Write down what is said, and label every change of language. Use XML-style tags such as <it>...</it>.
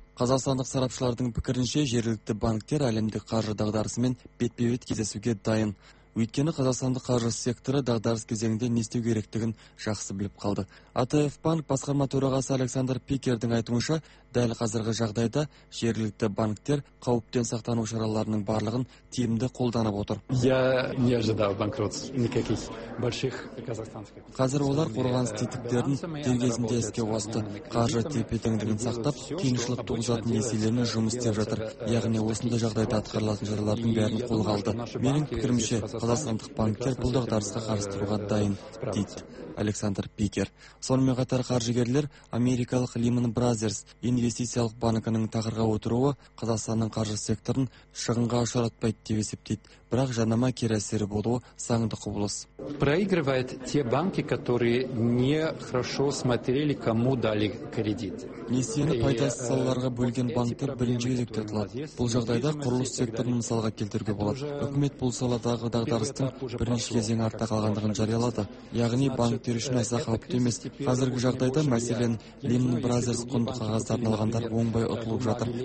<kk>Қазақстандық сарапшылардың пікірінше, жергілікті банктер әлемдік қаржы дағдарысымен бетпе-бет кездесуге дайын. Өйткені қазақстандық қаржы секторы дағдарыс кезеңінде не істеу керектігін жақсы біліп қалды. АТФ банк басқарма төрағасы Александр Пикердің айтуынша, дәл қазіргі жағдайда жергілікті банктер қауіптен сақтану шараларының барлығын тиімді қолданып отыр.</kk> <ru>Я не ожидал банкротств никаких больших казахстанских.</ru> <kk>Қазір олар қорғаныс тетіктерін дер кезінде іске қосты. Қаржы тепе-теңдігін сақтап, қиыншылық туғызатын несиелермен жұмыс істеп жатыр. Яғни осындай жағдайда атқарылатын шаралардың бәрін қолға алды. Менің пікірімше, қазақстандық банктер бұл дағдарысқа қарсы тұруға дайын. Александр Пикер. Сонымен қатар қаржыгерлер Америкалық Lehman Brothers инвестициялық банкінің тағырға отыруы Қазақстанның қаржы секторын шығынға ұшыратпайды деп есептейді. Бірақ жанама кері әсері болуы заңды құбылыс.</kk> <ru>Проигрывают те банки, которые не хорошо смотрели, кому дали кредит.</ru> <kk>Несиені пайдасыз салаларға бөлген банктер бірінші кезекте ұтылады. Бұл жағдайда құрылыс секторын мысалға келтіруге болады. Үкімет бұл саладағы дағдарыстың бірінші кезең артта қалғандығын жариялады. Яғни банктер үшін аса қауіпті емес. Қазіргі жағдайда, мәселен, Lehman Brothers құнды қағаздарын алғандар оңбай ұтылып жатыр.</kk>